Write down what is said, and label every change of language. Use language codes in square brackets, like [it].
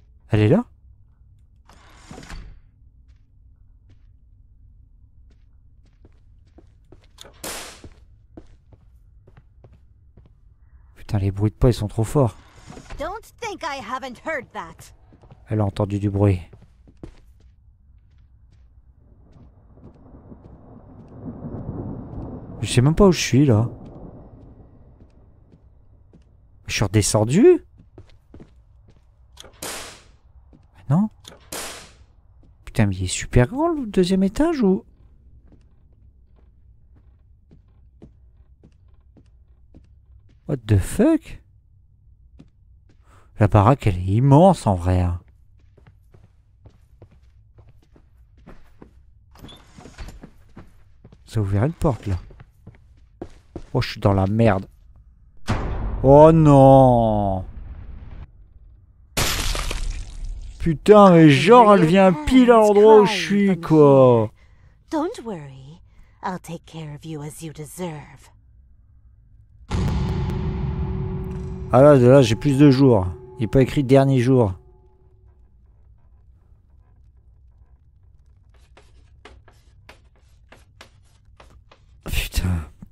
[fr] Elle est là? Putain, les bruits de pas, ils sont trop forts. [en] Don't think I haven't heard that. [fr] Elle a entendu du bruit. Je sais même pas où je suis là. Je suis redescendu? Putain, mais il est super grand le deuxième étage ou... [en] What the fuck? [fr] La baraque, elle est immense en vrai. Hein. Ça ouvrirait une porte là. Oh, je suis dans la merde. Oh non! Putain, mais genre, elle vient pile à l'endroit où je suis, quoi. [en] Don't worry, I'll take care of you as you deserve. [fr] Ah là, de là, j'ai plus de jours. Il n'est pas écrit dernier jour. Putain.